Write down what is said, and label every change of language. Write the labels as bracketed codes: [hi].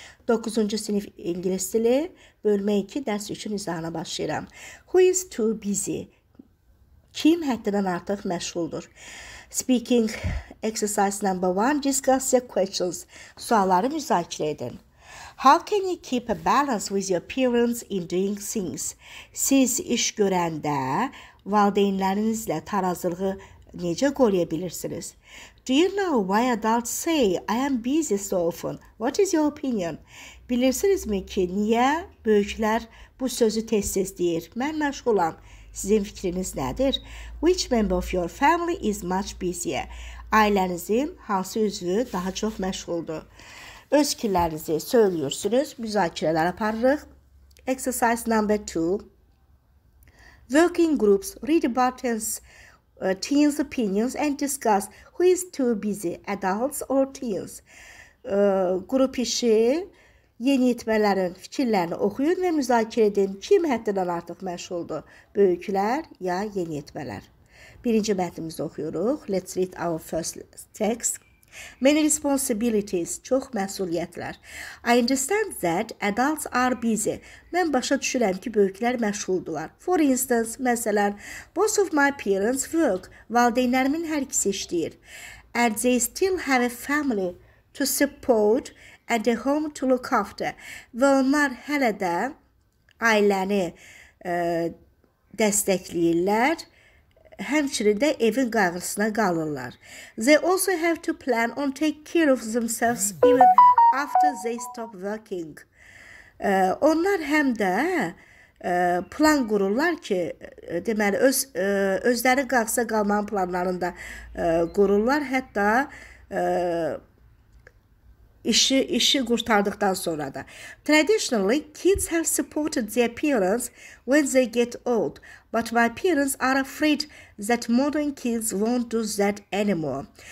[az] 9-cu sinif ingilis dili bölmə 2 dərs 3-ün izahına başlayıram. [en] Who is too busy? [az] Kim həddindən artıq məşğuldur? [en] Speaking exercise number 1. Discuss your questions. [az] Sualları müzakirə edin. [en] How can you keep a balance with your parents in doing things? [az] Siz iş görəndə valideynlərinizlə tarazlığı necə qoruya bilirsiniz? [en] Do you know why adults say I am busy so often? What is your opinion? [az] Bilirsiniz mi ki, niyə böyüklər bu sözü tez-tez deyir? Mən məşğulam. Sizin fikriniz nədir? [en] Which member of your family is much busier? [az] Ailənizin hansı üzvü daha çox məşğuldur? Öz fikirlərinizi söylüyorsunuz. Müzakirələr aparırıq. [en] Exercise number 2. Working groups. Read buttons. Teens' opinions and discuss who is too busy, adults or teens. [az] Grup işi, yeni yetmələrin fikirlərini oxuyun və müzakirə edin. Kim həddindən artıq məşğuldur, böyüklər ya yeni yetmələr? Birinci mətnimizi oxuyuruq. [en] Let's read our first text. Many responsibilities, [az] çox məsuliyyətlər. [en] I understand that adults are busy. [az] Mən başa düşürəm ki, böyüklər məşğuldular. [en] For instance, [az] məsələn, [en] both of my parents work. [az] Valideynlərimin hər ikisi işləyir. [en] And they still have a family to support and a home to look after. [az] Və onlar hələ də ailəni dəstəkləyirlər. Həmçinin də evin qayğısına qalırlar. [en] They also have to plan on take care of themselves even after they stop working. [az] Onlar həm də plan qururlar ki, deməli, özləri qayğısına qalmanın planlarını da qururlar. Hətta işi qurtardıqdan sonra da. [en] Traditionally, kids have supported their parents when they get old. But my parents are afraid that modern kids won't do that anymore.